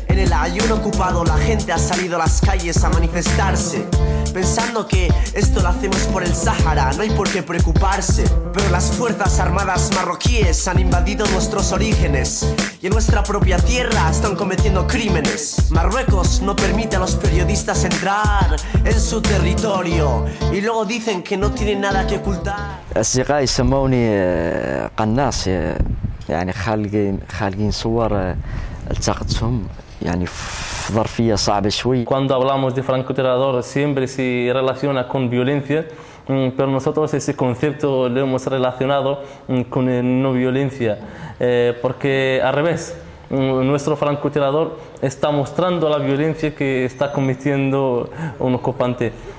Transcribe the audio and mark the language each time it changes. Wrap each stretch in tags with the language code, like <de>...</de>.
<es>En el Ayun ocupado la gente ha salido a las calles a manifestarse, pensando que esto lo hacemos por el Sahara, no hay por qué preocuparse. Pero las fuerzas armadas marroquíes han invadido nuestros orígenes y en nuestra propia tierra están cometiendo crímenes. Marruecos no permite a los periodistas entrar en su territorio y luego dicen que no tienen nada que ocultar.</es> <ar>أصدقائي سموني قناص, يعني خالقين صور التقطتهم يعني ظرفية صعبة شوي.</ar> <es>Cuando hablamos de francotirador siempre se relaciona con violencia, pero nosotros ese concepto lo hemos relacionado con no violencia, porque al revés, nuestro francotirador está mostrando la violencia que está cometiendo un ocupante.</es>